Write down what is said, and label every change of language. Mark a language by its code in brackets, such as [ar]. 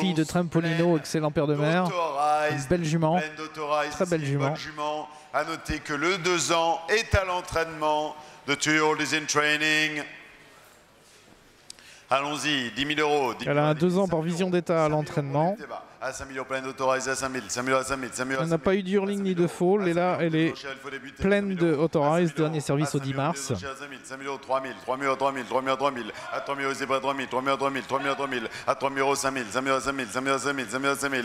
[fr] fille de Trampolino, excellent père de mer, belle jument, très belle jument. Bonne jument. À noter que le 2 ans est à l'entraînement. [en] The 2-year-old is in training. [fr] Allons-y, 10 000 euros. 10 000 elle a un 2 ans par vision d'état à l'entraînement. À 5 000 euros, pleine d'Authorized, à 5 000, 5 000 à 5 000. 5 000 elle n'a pas eu d'Hurling ni de Fall, et là, elle est pleine de Authorized, dernier service au 10 mars. 5 000 euros, 3 000, 3 000 euros, 3 000, 3 000 euros, 3 000, à 3 000 euros, c'est pas 3 000, 3 000 euros, 3 000, 3 000 euros, 3 000, à 3 000 euros, 5 000, 5 000 euros, 5 000, 5 000 euros, 5 000, 5 000 euros, 5 000.